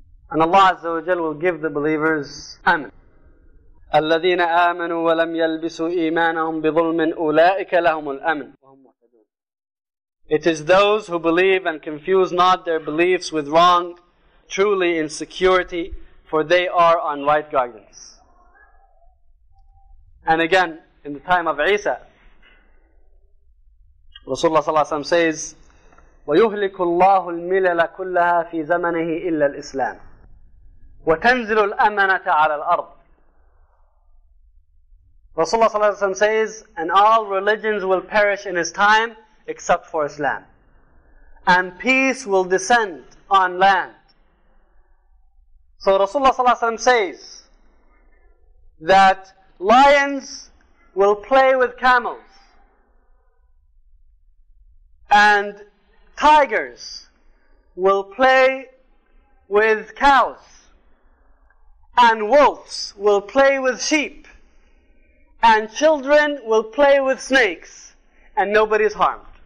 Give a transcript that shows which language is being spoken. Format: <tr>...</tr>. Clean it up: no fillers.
<en>And Allah Azza wa Jal will give the believers amen.</en> <ar>الَّذِينَ آمَنُوا وَلَمْ يَلْبِسُوا إِيمَانَهُمْ بِظُلْمٍ أُولَٰئِكَ لَهُمُ الْأَمْنُ وَهُمْ مُهْتَدُونَ.</ar> <en>It is those who believe and confuse not their beliefs with wrong, truly in security, for they are on right guidance. And again, in the time of Isa, Rasulullah صلى الله عليه وسلم says,</en> <ar>وَيُهْلِكُ اللَّهُ الْمِلَلَ كُلَّهَا فِي زَمَنِهِ إِلَّا الْإِسْلَامِ وَتَنْزِلُ الْأَمَنَةَ عَلَى الْأَرْضِ.</ar> <en>Rasulullah صلى الله عليه وسلم says, and all religions will perish in his time except for Islam. And peace will descend on land. So Rasulullah صلى الله عليه وسلم says that lions will play with camels, and tigers will play with cows, and wolves will play with sheep, and children will play with snakes, and nobody is harmed.</en>